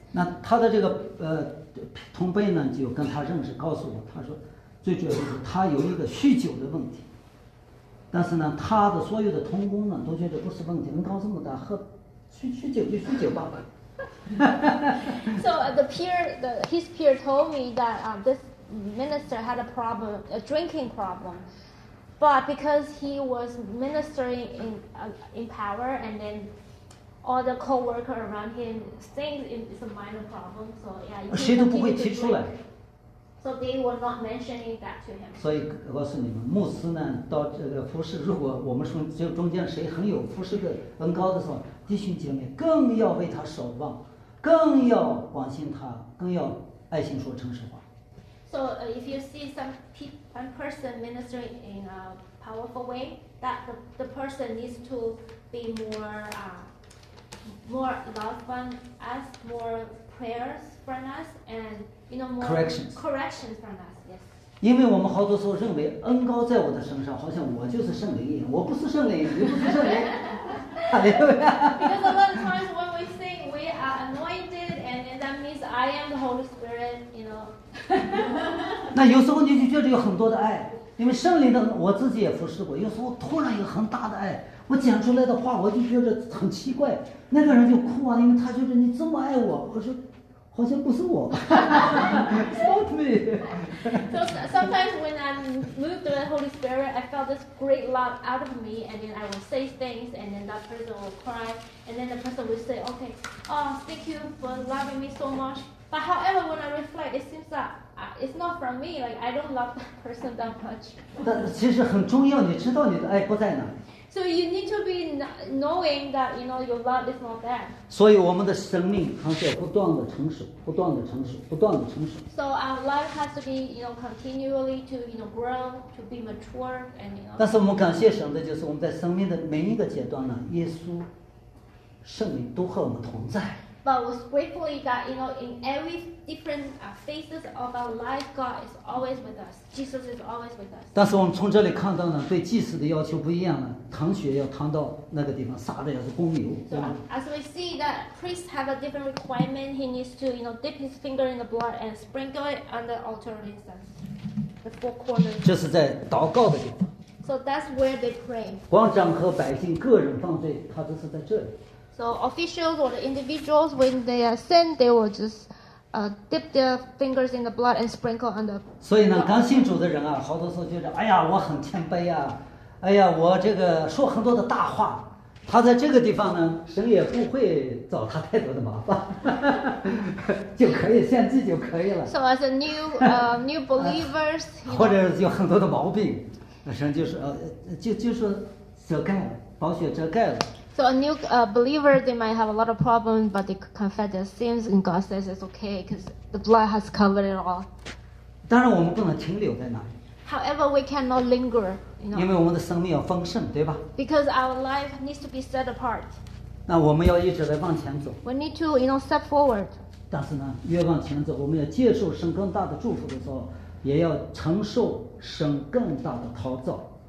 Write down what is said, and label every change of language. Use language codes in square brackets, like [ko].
[zh] 那他的这个同辈呢，就跟他认识，告诉我，他说最主要就是他有一个酗酒的问题。但是呢，他的所有的同工呢，都觉得不是问题。恩膏这么大，喝，酗酒就酗酒吧。 [en] So his peer told me that this minister had a problem, a drinking problem. But because he was ministering in power, and then all the coworker around him thinks it's a minor problem. So yeah, [zh] 谁都不会提出来。 [en] So they were not mentioning that to him. [zh] 所以告诉你们，牧师呢，到这个服事，如果我们说就中间谁很有服事的恩高的时候，弟兄姐妹更要为他守望，更要关心他，更要爱心说诚实话。 [en] So if you see some person ministering in a powerful way, that the person needs to be more love from us, more prayers from us, and. You know, more corrections from us, yes. Because a lot of times when we think we are anointed and that means I am the Holy Spirit, you know. [zh] 那有时候你就觉得有很多的爱，因为圣灵的，我自己也服侍过，有时候突然有很大的爱，我讲出来的话我就觉得很奇怪，那个人就哭啊，因为他觉得你这么爱我，我说好像不是我吧。 [en] It's not me. So sometimes when I'm moved by the Holy Spirit, I felt this great love out of me, and then I will say things, and then that person will cry, and then the person will say, okay, oh, thank you for loving me so much. But however, when I reflect, it seems that it's not from me. Like, I don't love that person that much. [zh] 但其实很重要，你知道你的爱不在哪。 [en] So you need to be knowing that, you know, your love is not there. [zh] 所以我们的生命还是要不断的成熟，不断的成熟，不断的成熟。 [en] So our life has to be, you know, continually to, you know, grow, to be mature, and, you know. [zh] 但是我们感谢神的就是我们在生命的每一个阶段呢，耶稣、圣灵都和我们同在。 [en] But was gratefully that, you know, in every different phases of our life, God is always with us. Jesus is always with us. [zh] 但是我们从这里看到呢，对祭司的要求不一样了，淌血要淌到那个地方，杀的要是公牛。 [en] So as we see that priests have a different requirement, he needs to, you know, dip his finger in the blood and sprinkle it on the altar of incense, the four corners. [zh] 这是在祷告的地方。 [en] So that's where they pray. [zh] 光长和百姓个人犯罪，他都是在这里。 [en] So officials or the individuals, when they are sinned, they will just dip their fingers in the blood and sprinkle on the. [zh] 所以呢，刚信主的人啊，好多时候觉得，哎呀，我很谦卑啊，哎呀，我这个说很多的大话。他在这个地方呢，神也不会找他太多的麻烦，就可以献祭就可以了。 [en] So as a new believers, [zh] 或者有很多的毛病，神就是就是遮盖了，宝血遮盖了。 [en] So a new believer, they might have a lot of problems, but they confess their sins, and God says it's okay because the blood has covered it all. [zh] 当然我们不能停留在那里。 [en] However, we cannot linger, you know. [zh] 因为我们的生命要丰盛，对吧？ [en] Because our life needs to be set apart. [zh] 那我们要一直来往前走。 [en] We need to, you know, step forward. [zh] 但是呢，越往前走，我们要接受神更大的祝福的时候，也要承受神更大的陶造。